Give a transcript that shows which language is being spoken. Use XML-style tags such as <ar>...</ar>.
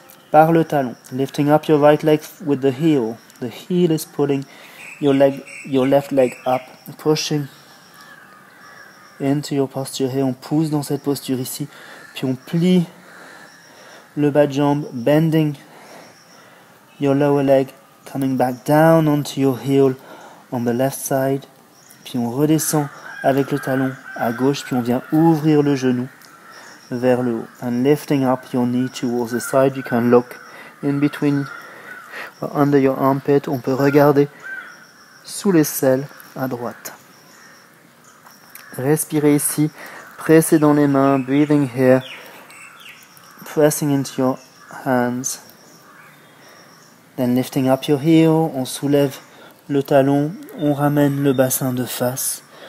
<fr>par le talon,</fr> <en>lifting up your right leg with the heel, the heel is pulling your leg, your left leg up, pushing into your posture here,</en> <fr>on pousse dans cette posture ici, puis on plie le bas de jambe,</fr> <en>bending your lower leg, coming back down onto your heel on the left side.</en> <fr>Puis on redescend avec le talon à gauche, puis on vient ouvrir le genou vers le haut.</fr> <en>And lifting up your knee towards the side, you can look in between or under your armpit.</en> <fr>On peut regarder sous les selles à droite. Respirez ici, pressez dans les mains,</fr> <en>breathing here, pressing into your hands. Then lifting up your heel,</en> <fr>on soulève le talon, on ramène le bassin de face.</fr>